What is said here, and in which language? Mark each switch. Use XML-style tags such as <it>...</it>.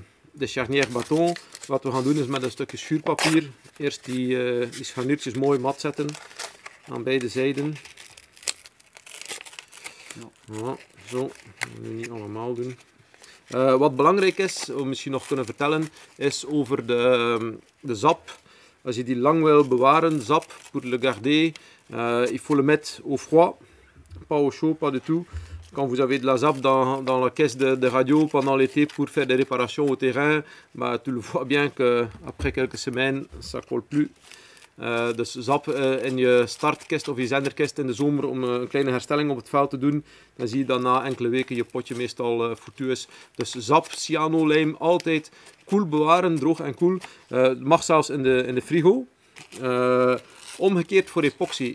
<nl>De</nl> <fr>charnière bâton.</fr> <nl>Wat we gaan doen is met een stukje schuurpapier eerst die scharniertjes mooi mat zetten aan beide zijden. Ja. Ja, zo, dat moet je niet allemaal doen. Wat belangrijk is, we misschien nog kunnen vertellen, is over de zap. Als je die lang wil bewaren,</nl> <fr>zap, pour le garder, il faut le mettre au froid, pas au chaud, pas du tout. Quand vous avez de la zap dans la caisse de radio pendant l'été pour faire des réparations au terrain, bah, tu le vois bien qu'après quelques semaines, ça ne colle plus.</fr> <nl>Dus zap in je startkist of je zenderkist in de zomer om een kleine herstelling op het veld te doen. Dan zie je dat na enkele weken je potje meestal foutu is. Dus zap, cyanolijm, altijd koel bewaren, droog en koel. Mag zelfs in de frigo. Omgekeerd voor epoxy.</nl>